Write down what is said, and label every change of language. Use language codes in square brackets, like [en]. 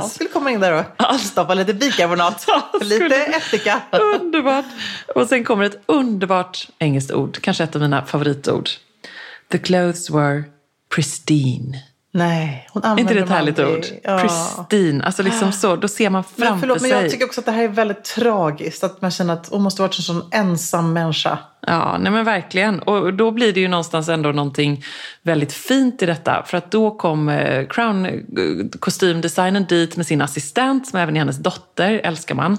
[sv] Han skulle komma in där och stoppa lite bikarbonat. Lite ättika. Underbart. Och sen kommer ett underbart engelskt ord. Kanske ett av mina favoritord. [en] The clothes were pristine. [sv] Nej, hon använder inte det ett härligt ord. Pristine, alltså liksom så, då ser man framför sig. Men förlåt, men jag tycker också att det här är väldigt tragiskt, att man känner att hon måste ha varit en sån ensam människa. Ja, nej men verkligen. Och då blir det ju någonstans ändå någonting väldigt fint i detta. För att då kom Crown kostymdesignern dit med sin assistent, som även är hennes dotter, älskar man.